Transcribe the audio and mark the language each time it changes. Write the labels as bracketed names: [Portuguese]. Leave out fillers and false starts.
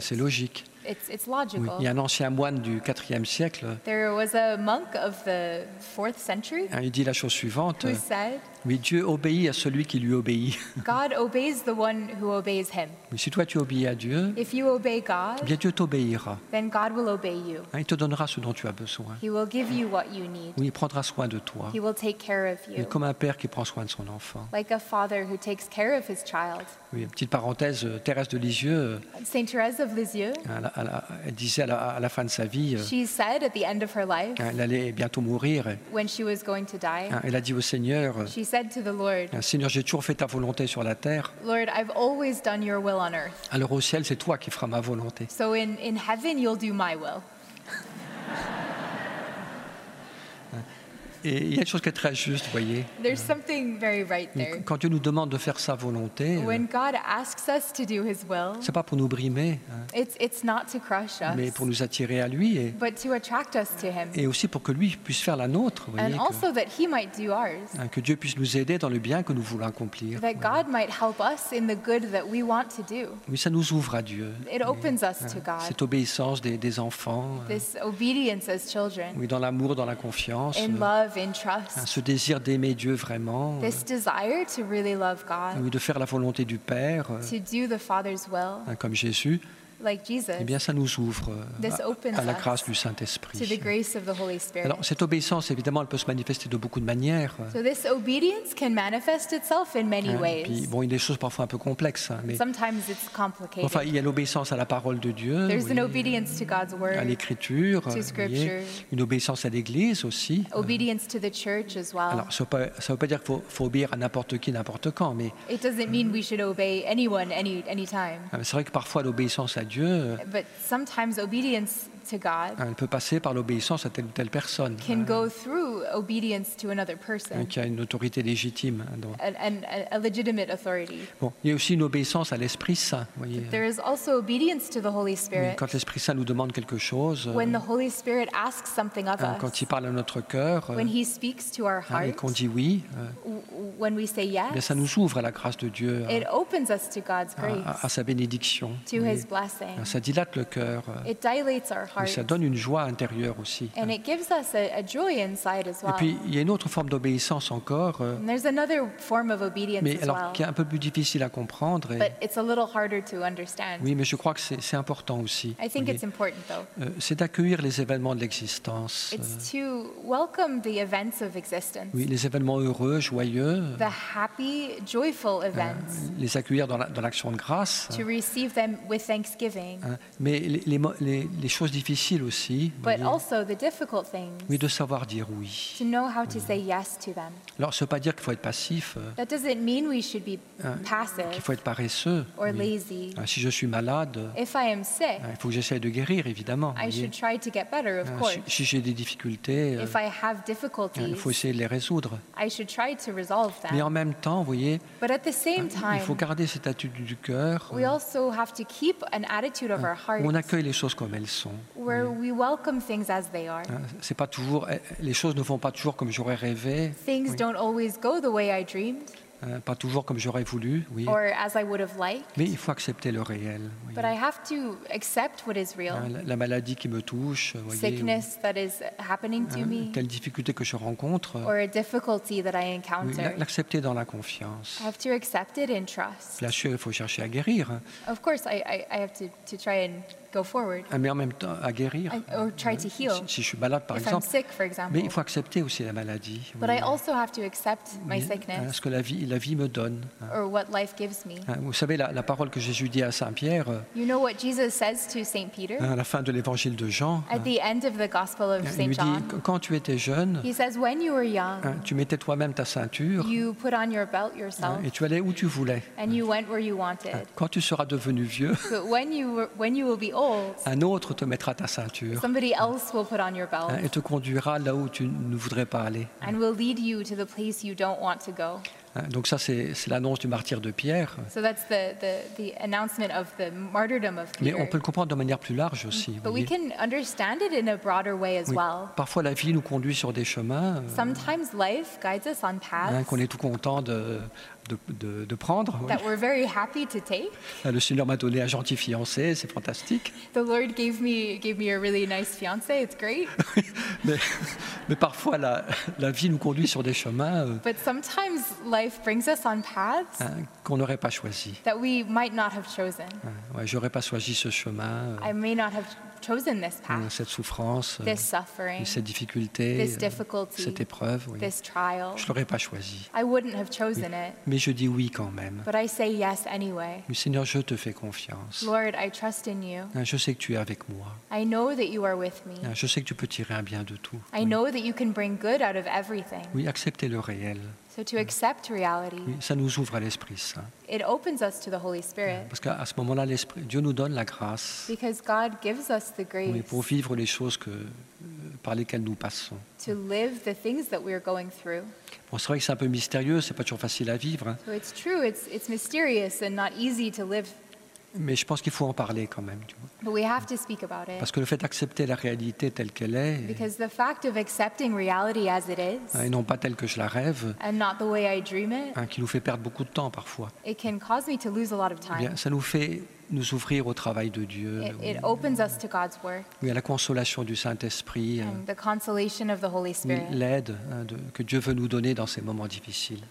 [French] C'est logique. [English] It's logical. [French] Oui, il y a un ancien moine du 4e siècle. [English] There was a monk of the 4th century. [French] Il dit la chose suivante. [English] Who said, [French] oui, Dieu obéit à celui qui lui obéit. [English] God obeys the one who obeys him. [French] Mais si toi tu obéis à Dieu, [English] if you obey God, [French] bien Dieu t'obéira. [English] Then God will obey you. [French] Il te donnera ce dont tu as besoin. [English] He will give you what you need. [French] Oui, il prendra soin de toi. [English] He will take care of you. [French] Et comme un père qui prend soin de son enfant. [English] Like a father who takes care of his child. [French] Oui, petite parenthèse, Thérèse de Lisieux. [English] Saint Thérèse of Lisieux. [French] Elle disait à la fin de sa vie. [English] She said at the end of her life. [French] Elle allait bientôt mourir. [English] When she was going to die. [French] Elle a dit au Seigneur. [English] She said to the Lord. [French] Seigneur, j'ai toujours fait ta volonté sur la terre. [English] Lord, I've always done your will on earth. [French] Alors au ciel, c'est toi qui feras ma volonté. [English] So in heaven, you'll do my will. [French] Et il y a une chose qui est très juste, voyez. [English] There's something very right there. [French] Quand Dieu nous demande de faire sa volonté, [English] when God asks us to do his will, [French] c'est pas pour nous brimer, [English] it's not to crush us, [French] mais pour nous attirer à lui, et, [English] but to attract us to him. [French] Et aussi pour que lui puisse faire la nôtre, voyez, [English] and also that he might do ours. [French] Que Dieu puisse nous aider dans le bien que nous voulons accomplir. [English] That God might help us in the good that we want to do. [French] Oui, ça nous ouvre à Dieu. [English] It opens us to God. [French] Cette obéissance des enfants. [English] This obedience as children. [French] Oui, dans l'amour, dans la confiance. [English] In love, in trust. [French] Ce désir d'aimer Dieu vraiment. [English] This desire to really love God. [French] Oui, de faire la volonté du Père. [English] To do the Father's will. [French] Comme Jésus. [English] Like Jesus. [French] Eh bien, ça nous ouvre à la grâce du Saint-Esprit. [English] To the grace of the Holy Spirit. [French] Alors, cette obéissance, évidemment, elle peut se manifester de beaucoup de manières. [English] So this obedience can manifest itself in many ways. [French] Puis, bon, il y a des choses parfois un peu complexes. Mais [English] sometimes it's complicated. [French] Enfin, il y a l'obéissance à la parole de Dieu. [English] There's an obedience to God's word. [French] À l'Écriture. [English] To Scripture. [French] Une obéissance à l'Église aussi. [English] Obedience to the church as well. [French] Alors, ça ne veut pas dire qu'il faut obéir à n'importe qui, n'importe quand, mais [English] it doesn't mean we should obey anyone anytime. [French] C'est vrai que parfois l'obéissance à Dieu, [English] but sometimes obedience to God, [French] elle peut passer par l'obéissance à telle ou telle personne, [English] can go through obedience to another person, [French] qui a une autorité légitime, [English] a legitimate authority. [French] Bon, il y a aussi une obéissance à l'Esprit Saint, voyez. [English] There is also obedience to the Holy Spirit. [French] Quand l'Esprit Saint nous demande quelque chose, [English] when the Holy Spirit asks something of us, [French] quand il parle à notre cœur, [English] when he speaks to our heart, [French] et qu'on dit oui, [English] when we say yes, [French] bien, ça nous ouvre à la grâce de Dieu, [English] it opens us to God's grace, [French] à sa bénédiction, [English] to his blessing. [French] Ça dilate le cœur. [English] It dilates our heart. [French] Et ça donne une joie intérieure aussi. [English] And it gives us a joy inside as well. [French] Et puis, il y a une autre forme d'obéissance encore. [English] And there's another form of obedience [French] mais, [English] as [French] alors, [English] well. [French] Qui est un peu plus difficile à comprendre. [English] But it's a little harder to understand. [French] Oui, mais je crois que c'est important aussi. [English] I think it's important, though. [French] C'est d'accueillir les événements de l'existence. [English] It's to welcome the events of existence. [French] Oui, les événements heureux, joyeux. [English] The happy, joyful events. [French] Les accueillir dans l'action de grâce. [English] To receive them with thanksgiving. [French] Mais les choses difficiles aussi, [English] but also the difficult things, [French] oui, de savoir dire oui. [English] To know how to say yes to them. [French] Alors, ça ne veut pas dire qu'il faut être passif. [English] That doesn't mean we should be passive, [French] qu'il faut être paresseux. [English] Or lazy. [French] Si je suis malade, [English] if I am sick, [French] il faut que j'essaie de guérir, évidemment. [English] I should try to get better, of course. [French] Si j'ai des difficultés, [English] if I have difficulties, [French] il faut essayer de les résoudre. [English] I should try to resolve them. [French] Mais en même temps, vous voyez, [English] but at the same time, [French] il faut garder cette attitude du cœur. [English] We also have to keep an attitude of our heart, [French] où on accueille les choses comme elles sont. [English] Where we welcome things as they are. [French] C'est pas toujours, les choses ne vont pas toujours comme j'aurais rêvé. [English] Things don't always go the way I dreamed. [French] Pas toujours comme j'aurais voulu, oui. [English] Or as I would have liked. [French] Mais il faut accepter le réel. Oui. [English] But I have to accept what is real. [French] La maladie qui me touche, voyez, [English] sickness that is happening to me. [French] Telle difficulté que je rencontre. [English] Or a difficulty that I encounter. [French] Oui, l'accepter dans la confiance. [English] I have to accept it in trust. [French] Bien sûr, il faut chercher à guérir. [English] Of course, I have to try and go forward. [French] Mais en même temps, à guérir. [English] Or try to heal. [French] Si je suis malade, par [English] if [French] exemple. [English] I'm sick, for example. [French] Mais il faut accepter aussi la maladie. [English] But I also have to accept my sickness. [French] Ce que la vie me donne. [English] Or what life gives me. [French] Vous savez, la parole que Jésus dit à Saint Pierre. [English] You know what Jesus says to Saint Peter? [French] À la fin de l'évangile de Jean. [English] At the end of the Gospel of Saint John. [French] lui dit, quand tu étais jeune. [English] He says, when you were young. [French] Tu mettais toi-même ta ceinture. [English] You put on your belt yourself. [French] Et tu allais où tu voulais. [English] And you went where you wanted. [French] Quand tu seras devenu vieux. [English] But when you will be old. [French] Un autre te mettra ta ceinture. [English] Somebody else will put on your belt. [French] Et te conduira là où tu ne voudrais pas aller. [English] And will lead you to the place you don't want to go. [French] Donc ça, c'est l'annonce du martyr de Pierre. [English] So that's the announcement of the martyrdom of Peter. [French] Mais on peut le comprendre de manière plus large aussi. [English] But we can understand it in a broader way as well. [French] Parfois, la vie nous conduit sur des chemins. [English] Sometimes life guides us on paths. [French] Qu'on est tout content de prendre. [English] That we're very happy to take. [French] Le Seigneur m'a donné un gentil fiancé, c'est fantastique. [English] The Lord gave me a really nice fiancé, it's great. [French] Mais parfois, la vie nous conduit sur des chemins. [English] But sometimes life brings us on paths [French] qu'on n'aurait pas choisi. [English] That we might not have chosen. [French] J'aurais pas choisi ce chemin. [English] I may not have chosen this path. [French] Cette souffrance. [English] This suffering. [French] Cette difficulté. [English] This difficulty. [French] Cette épreuve. Oui. [English] This trial. [French] Je l'aurais pas choisi. [English] I wouldn't have chosen it. [French] Mais je dis oui quand même. [English] But I say yes anyway. [French] Mais Seigneur, je te fais confiance. [English] Lord, I trust in you. [French] Je sais que tu es avec moi. [English] I know that you are with me. [French] Je sais que tu peux tirer un bien de tout. [English] I know that you can bring good out of everything. [French] Oui, accepter le réel. [English] So to accept reality. [French] Oui, ça nous ouvre à l'Esprit Saint. [English] It opens us to the Holy Spirit. [French] Parce qu'à ce moment-là, l'Esprit, Dieu nous donne la grâce. [English] Because God gives us the grace. [French] Oui, pour vivre les choses par lesquelles nous passons. [English] To live the things that we are going through. [French] Bon, c'est vrai que c'est un peu mystérieux, c'est pas toujours facile à vivre. [English] So it's true, it's mysterious and not easy to live. [French] Mais je pense qu'il faut en parler quand même. Tu vois. [English] But we have to speak about it. [French] Parce que le fait d'accepter la réalité telle qu'elle est. [English] Because the fact of accepting reality as it is. [French] Et non pas telle que je la rêve. [English] And not the way I dream it. [French] Hein, qui nous fait perdre beaucoup de temps parfois. [English] It can cause me to lose a lot of time. [French] Bien, ça nous fait nous ouvrir au travail de Dieu. [English] It opens us to God's work. [French] Oui, à la consolation du Saint-Esprit. [English] And the consolation of the Holy Spirit. [French] L'aide hein, que Dieu veut nous donner dans ces moments difficiles.